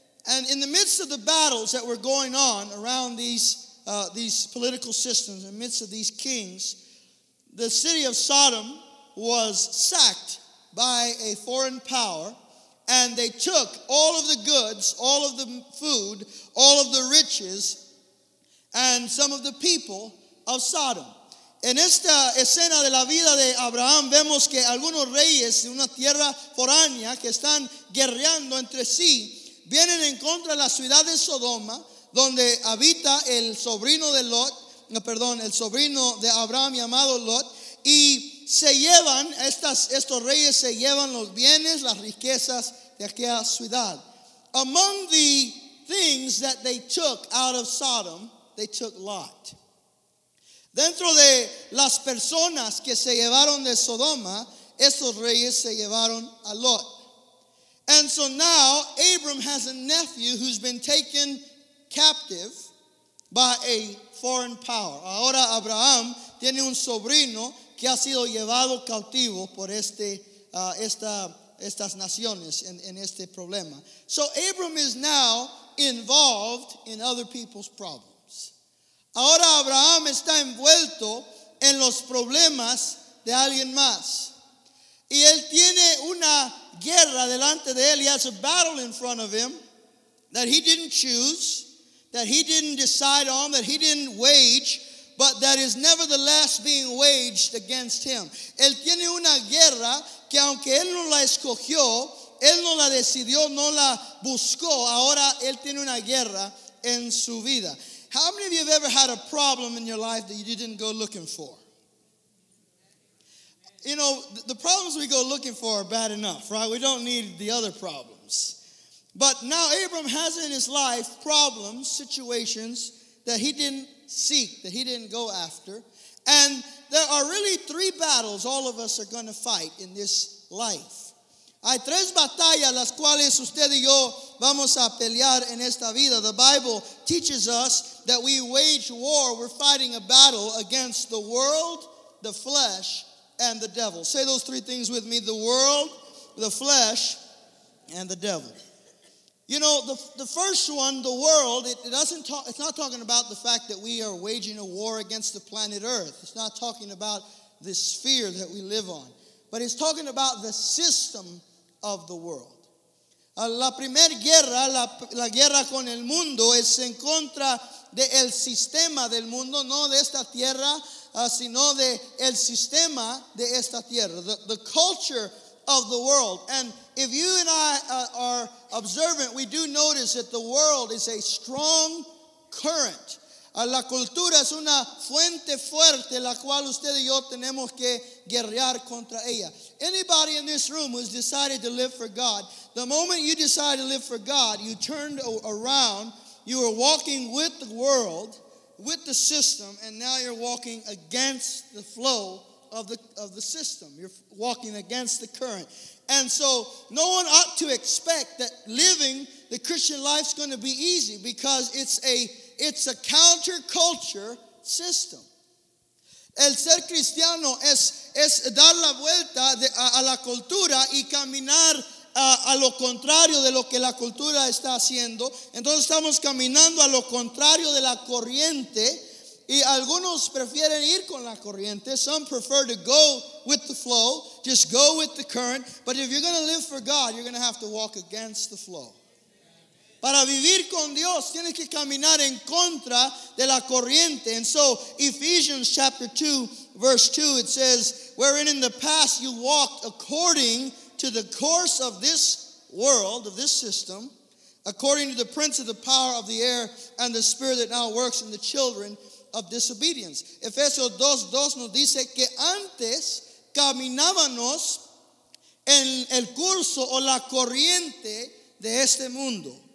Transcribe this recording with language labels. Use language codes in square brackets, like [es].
[en] And in the midst of the battles that were going on around these political systems, in the midst of these kings, the city of Sodom was sacked by a foreign power, and they took all of the goods, all of the food, all of the riches, and some of the people of Sodom. [es] En esta escena de la vida de Abraham vemos que algunos reyes de una tierra foránea que están guerreando entre sí vienen en contra de la ciudad de Sodoma, donde habita el sobrino de Abraham llamado Lot, y se llevan, estos reyes se llevan los bienes, las riquezas de aquella ciudad. [en] Among the things that they took out of Sodom, they took Lot. [es] Dentro de las personas que se llevaron de Sodoma, estos reyes se llevaron a Lot. [en] And so now Abram has a nephew who's been taken captive by a foreign power. [es] Ahora Abraham tiene un sobrino que ha sido llevado cautivo por estas naciones en este problema. [en] So Abram is now involved in other people's problems. [es] Ahora Abraham está envuelto en los problemas de alguien más. Y él tiene una guerra delante de él. [en] He has a battle in front of him that he didn't choose, that he didn't decide on, that he didn't wage, but that is nevertheless being waged against him. [es] Él tiene una guerra que aunque él no la escogió, él no la decidió, no la buscó, ahora él tiene una guerra en su vida. [en] How many of you have ever had a problem in your life that you didn't go looking for? You know, the problems we go looking for are bad enough, right? We don't need the other problems. But now Abram has in his life problems, situations that he didn't seek, that he didn't go after. And there are really three battles all of us are going to fight in this life. [es] Hay tres batallas las cuales usted y yo vamos a pelear en esta vida. [en] The Bible teaches us that we wage war, we're fighting a battle against the world, the flesh, and the devil. Say those three things with me: the world, the flesh, and the devil. You know, the first one, the world, it's not talking about the fact that we are waging a war against the planet Earth. It's not talking about the sphere that we live on. But it's talking about the system of the world. [es] La primera guerra, la guerra con el mundo, es en contra del sistema del mundo, no de esta tierra, sino de el sistema de esta tierra, [en] the culture of the world. And if you and I are observant, we do notice that the world is a strong current. [es] La cultura es una fuente fuerte la cual usted y yo tenemos que guerrear contra ella. [en] Anybody in this room who's decided to live for God, the moment you decide to live for God, you turned around, you were walking with the world, with the system, and now you're walking against the flow of the system. You're walking against the current. And so no one ought to expect that living the Christian life is going to be easy, because it's a counterculture system. [es] El ser cristiano es dar la vuelta a la cultura y caminar a lo contrario de lo que la cultura está haciendo. Entonces estamos caminando a lo contrario de la corriente, y algunos prefieren ir con la corriente. [en] Some prefer to go with the flow, just go with the current. But if you're going to live for God, you're going to have to walk against the flow. [es] Para vivir con Dios tienes que caminar en contra de la corriente. [en] And so Ephesians chapter 2 verse 2, it says, wherein in the past you walked according to the course of this world, of this system, according to the prince of the power of the air and the spirit that now works in the children of disobedience. [es] Efesios 2:2 nos dice que antes caminábamos en el curso o la corriente de este mundo.